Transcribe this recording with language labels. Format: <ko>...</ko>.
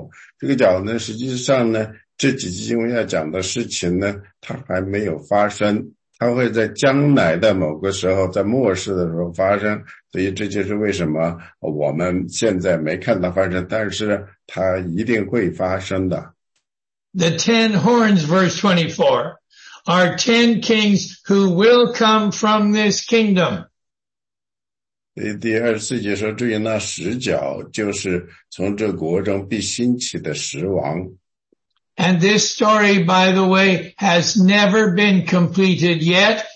<zh>所以这个呢，其实呢，这个王国呢，它会持续到一直到末世。所以这就是我们在这里后面的几节经文读到的这个角。这个角呢，实际上呢， 这几节经文要讲的事情呢，它还没有发生，它会在将来的某个时候，在末世的时候发生。所以这就是为什么我们现在没看到发生，但是它一定会发生的。The</zh> <en>ten horns, verse 24, are ten kings who will come from this kingdom.</en> <zh>第二十四节说，至于那十角，就是从这国中必兴起的十王。</zh> <en>And this story, by the way, has never been completed yet.</en>